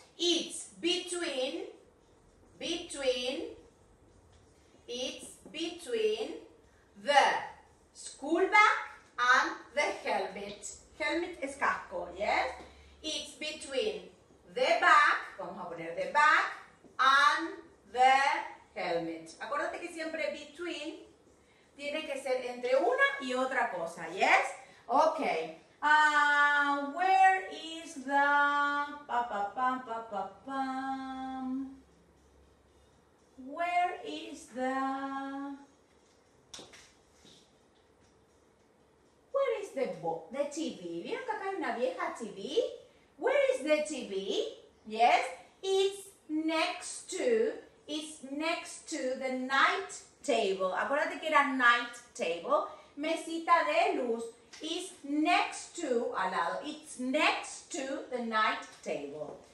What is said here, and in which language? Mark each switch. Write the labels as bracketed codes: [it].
[en] It's between, between, it's between the school bag and the helmet. Helmet [es] es casco, [en] yes? It's between the bag, [es] vamos a poner [en] the bag, and the helmet. [es] Acuérdate que siempre between tiene que ser entre una y otra cosa, yes? [en] Okay. Where is the pa pa pa pa pa pa? Where is the? Where is the book? The TV. [es] ¿Vieron que acá hay una vieja TV? [en] Where is the TV? Yes, it's next to the night table. [es] Acuérdate que era night table, mesita de luz. [en] It's next to, [es] al lado, [en] it's next to the night table.